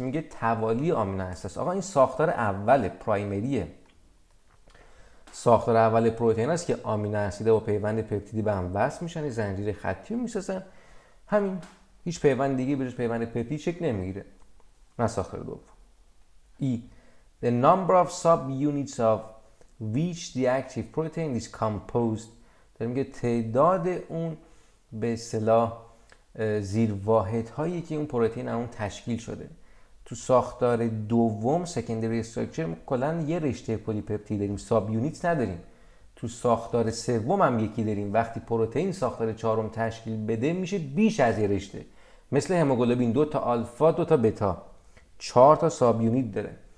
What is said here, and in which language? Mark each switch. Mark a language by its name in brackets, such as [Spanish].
[Persian] میگه توالی آمینو اسید است. آقا این ساختار اوله، پرایمریه. ساختار اول پروتئین است که آمینو اسید با پیوند پپتیدی به هم وصل میشن، زنجیره خطی میسازن. همین، هیچ پیوند دیگه به جز پیوند پپتید شکل نمیگیره. نه ساختار دوم. [English] E. The number of subunits of which the active protein is composed. [Persian] در میگه تعداد اون به اصطلاح زیر واحد هایی که اون پروتئین از اون تشکیل شده. تو ساختار دوم سکندری استراکچر کلا یه رشته پلی‌پپتید داریم، ساب یونیت نداریم. تو ساختار سوم هم یکی داریم، وقتی پروتئین ساختار چهارم تشکیل بده میشه بیش از یه رشته، مثل هموگلوبین دو تا آلفا دو تا بتا، چهار تا ساب یونیت داره.